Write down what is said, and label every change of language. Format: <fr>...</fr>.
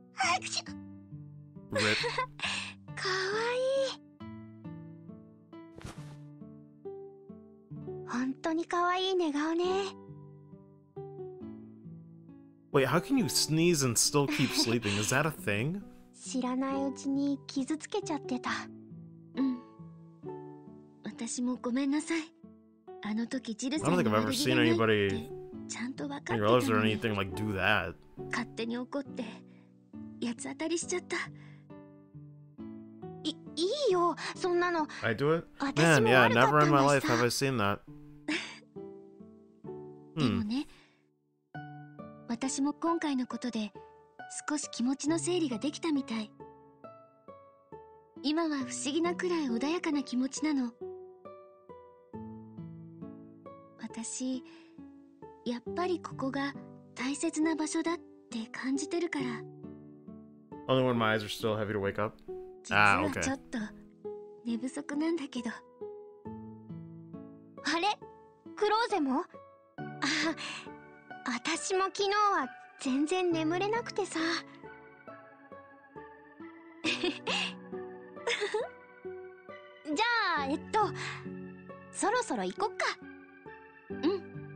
<en>Rip.</en> <ja>かわいい。本当にかわいい寝顔ね。</ja> <en>Wait, how can you sneeze and still keep sleeping? Is that a thing?</en> <ja>知らないうちに傷つけちゃってた。うん。私もごめんなさい。あの時ジルさんに言われてないって、ちゃんと分かってたのに。</ja> <en>I don't think I've ever seen anybody do that.</en> <ja>勝手に怒って、八つ当たりしちゃった。いいよ、そんなの。</ja> <en>I do it?</en> <ja>私も悪かったのさ。</ja> <en>Man, yeah, never in my life have I seen that.</en> <ja>でもね。私も今回のことで少し気持ちの整理ができたみたい。今は不思議なくらい穏やかな気持ちなの。私やっぱりここが大切な場所だって感じてるから。</ja> <en>Only when my eyes are still heavy to wake up.</en> <ja>実はちょっと寝不足なんだけど。あれ、クローゼも？私も昨日は全然眠れなくてさ。じゃあそろそろ行こっか。うん。</ja>